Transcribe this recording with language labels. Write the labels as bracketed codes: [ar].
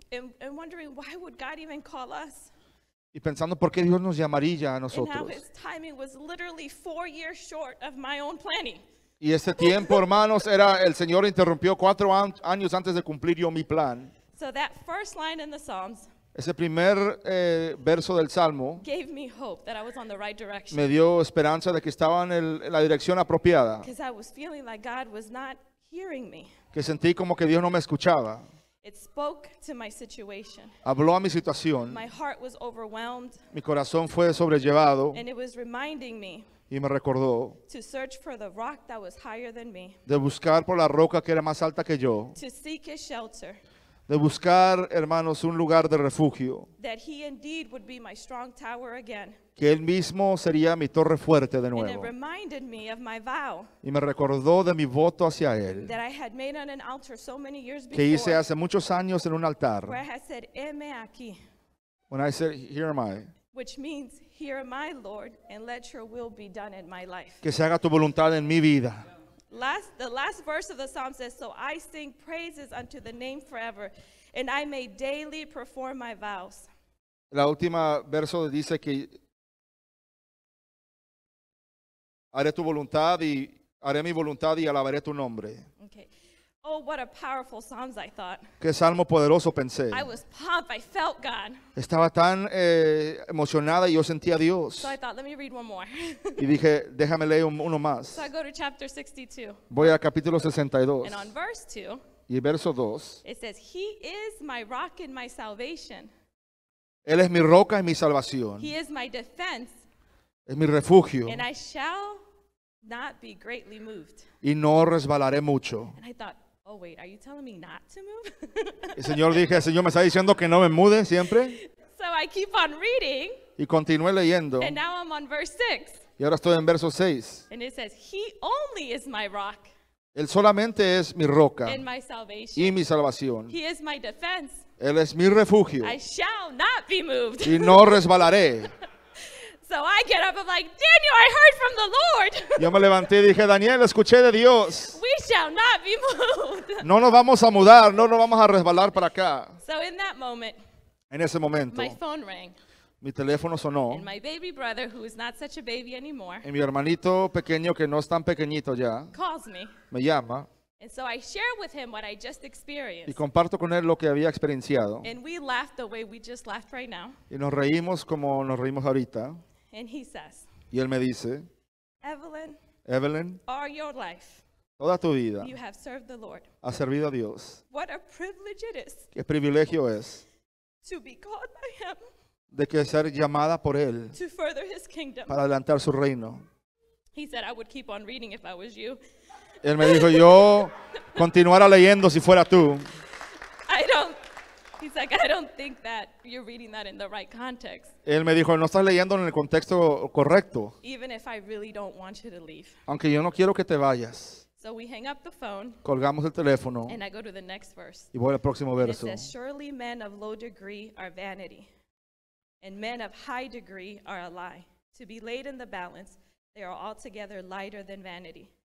[en] And wondering why would God even call us. [es] Y pensando por qué Dios nos llamaría a nosotros. [en] And how his timing was literally 4 years short of my own planning. [es] Y este tiempo, hermanos, era el Señor interrumpió 4 años antes de cumplir yo mi plan. [en] So that first line in the Psalms. [es] Ese primer verso del Salmo. [en] Gave me hope that I was on the right direction. [es] Me dio esperanza de que estaba en la dirección apropiada. [en] Because I was feeling like God was not hearing me. [es] Que sentí como que Dios no me escuchaba. [en] It spoke to my situation. [es] Habló a mi situación. [en] My heart was overwhelmed. [es] Mi corazón fue sobrellevado. [en] And it was reminding me. [es] Y me recordó. [en] To search for the rock that was higher than me. [es] De buscar por la roca que era más alta que yo. [en] To seek his shelter. [es] De buscar, hermanos, un lugar de refugio. [en] That he indeed would be my strong tower again. [es] Que él mismo sería mi torre fuerte de nuevo. [en] And it reminded me of my vow. [es] Y me recordó de mi voto hacia él. [en] That I had made on an altar so many years before. [es] Que hice hace muchos años en un altar. [en] Where I had said, [es] "Heme aquí." [en] When I said, "Here am I." Which means, "Here am I, Lord, and let your will be done in my life." [es] Que se haga tu voluntad en mi vida. [en] The last verse of the psalm says, "So I sing praises unto the name forever, and I may daily perform my vows." [es] La última verso dice que haré tu voluntad y haré mi voluntad y alabaré tu nombre. [en] Okay. Oh, what a powerful psalm, I thought. [es] Qué salmo poderoso, pensé. [en] I was pumped. I felt God. [es] Estaba tan emocionada y yo sentía a Dios. [en] So I thought, let me read one more. [es] Y dije, déjame leer uno más. [en] So I go to chapter 62. [es] Voy a capítulo 62. [en] And on verse 2. [es] Y verso 2. [en] It says, "He is my rock and my salvation." [es] Él es mi roca y mi salvación. [en] "He is my defense." [es] Es mi refugio. [en] "And I shall not be greatly moved." [es] Y no resbalaré mucho. [en] And I thought, oh wait, are you telling me not to move? [es] El Señor dije, Señor, ¿me está diciendo que no me mude siempre? [en] So I keep on reading. [es] Y continué leyendo. [en] And now I'm on verse 6. [es] Y ahora estoy en verso 6. [en] And it says, "He only is my rock." [es] Él solamente es mi roca. [en] "And my salvation." [es] Y mi salvación. [en] "He is my defense." [es] Él es mi refugio. [en] "I shall not be moved." [es] Y no resbalaré. [en] So I get up, I'm like, "Daniel, I heard from the Lord." [es] Yo me levanté y dije, Daniel, escuché de Dios. [en] "We shall not be moved." [es] No nos vamos a mudar, no nos vamos a resbalar para acá. [en] So in that moment, [es] en ese momento, [en] my phone rang. [es] Mi teléfono sonó. [en] And my baby brother, who is not such a baby anymore, [es] y mi hermanito pequeño, que no es tan pequeñito ya, [en] calls me. [es] Me llama. [en] And so I share with him what I just experienced. [es] Y comparto con él lo que había experienciado. [en] And we laugh the way we just laughed right now. [es] Y nos reímos como nos reímos ahorita. [en] And he says, [es] y él me dice, [en] "Evelyn, [es] Evelyn, [en] all your life, [es] toda tu vida, [en] you have served the Lord. [es] Has servido a Dios. [en] What a privilege it is. [es] Qué privilegio es. [en] To be called by him. [es] De que ser llamada por él. [en] To further his kingdom. [es] Para adelantar su reino." [en] He said, "I would keep on reading if I was you." [es] Él me dijo, yo continuara leyendo si fuera tú. [en] He's like, "I don't think that you're reading that in the right context." [es] Él me dijo, "No estás leyendo en el contexto correcto." [en] "Even if I really don't want you to leave." [es] Aunque yo no quiero que te vayas. [en] So we hang up the phone. [es] Colgamos el teléfono. [en] And I go to the next verse. [es] Y voy al próximo verso. [en] It says, "Surely men of low degree are vanity, and men of high degree are a lie. To be laid in the balance, they are altogether lighter than vanity."